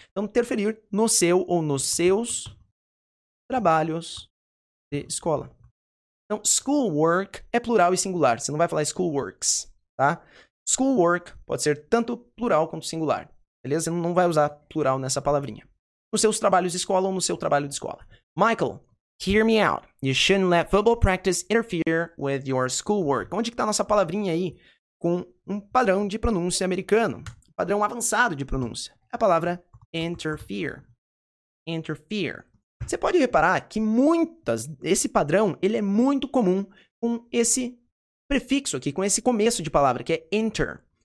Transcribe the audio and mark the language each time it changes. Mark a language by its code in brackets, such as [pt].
[pt] Então, interferir no seu ou nos seus trabalhos de escola. Então, school work é plural e singular. Você não vai falar school works. Tá? Schoolwork pode ser tanto plural quanto singular, beleza? Você não vai usar plural nessa palavrinha. Nos seus trabalhos de escola ou no seu trabalho de escola. [en] Michael, hear me out. You shouldn't let football practice interfere with your schoolwork. [pt] Onde que tá a nossa palavrinha aí com um padrão de pronúncia americano? Padrão avançado de pronúncia. A palavra interfere. Interfere. Você pode reparar que esse padrão, ele é muito comum com esse prefixo aqui, com esse começo de palavra, que é enter.